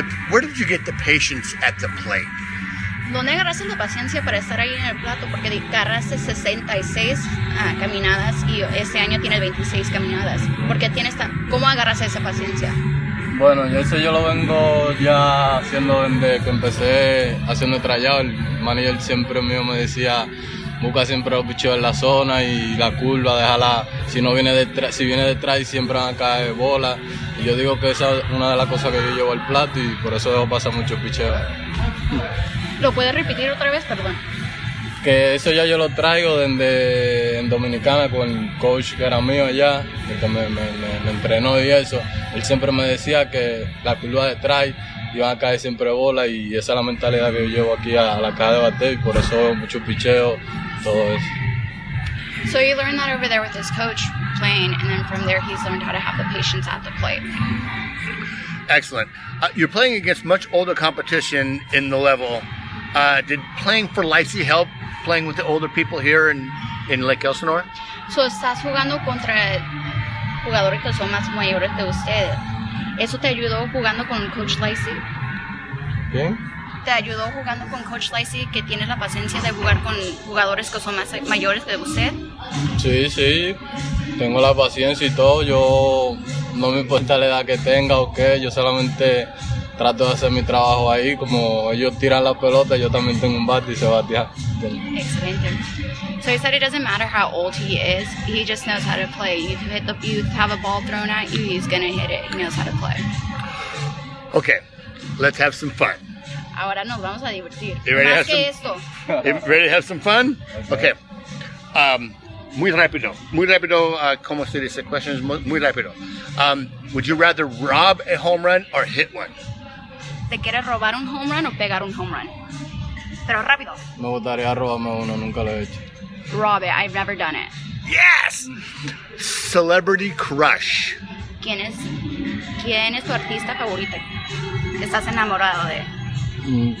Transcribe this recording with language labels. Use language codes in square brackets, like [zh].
[en] Where did you get the patience at the plate? [es] ¿Dónde agarraste la paciencia para estar ahí en el plato? Porque agarraste 66 caminadas y este año tienes 26 caminadas. ¿Por qué tienes tan... ¿Cómo agarraste esa paciencia? Bueno, eso yo lo vengo ya haciendo desde que empecé haciendo el tryout. El manager siempre mío me decía, busca siempre los picheos en la zona y la curva, déjala. Si viene detrás siempre van a caer bolas. Y yo digo que esa es una de las cosas que yo llevo al plato y por eso dejo pasar muchos picheos. ¿Lo puedes repetir otra vez? Perdón. Que eso ya yo lo traigo desde en Dominicana con el coach que era mío allá, que me entrenó y eso. Él siempre me decía que la curva de try iba a caer siempre bola y esa es la mentalidad que yo llevo aquí a la caja de bateo y por eso mucho picheo, todo eso. [en] So you learned that over there with his coach playing, and then from there he's learned how to have the patience at the plate. Excellent. You're playing against much older competition in the level. Did playing for Lacey help playing with the older people here in Lake Elsinore? [es] So estás jugando contra jugadores que son más mayores que ustedes. ¿Eso te ayudó jugando con Coach Lacey? ¿Qué? ¿Te ayudó jugando con Coach Lacey que tienes la paciencia de jugar con jugadores que son más mayores que usted? Sí, sí. Tengo la paciencia y todo. Yo no me importa la edad que tenga o qué. Yo solamente trato de hacer mi trabajo ahí. Como ellos tiran la pelota, yo también tengo un bate y se batea. Excelente. [en] So he said it doesn't matter how old he is. He just knows how to play. You have a ball thrown at you, he's going to hit it. He knows how to play. Okay, let's have some fun. [es] Ahora nos vamos a divertir. [en] You ready, ready to have some fun? Okay. [es] Muy rápido, como se dice, questions, muy rápido. [en] Would you rather rob a home run or hit one? [es] ¿Te quieres robar un home run o pegar un home run? Pero rápido. Me gustaría robarme uno, nunca lo he hecho. [en] Rob it, I've never done it. Yes! Celebrity crush. [es] ¿Quién es tu artista favorito? ¿Estás enamorado de?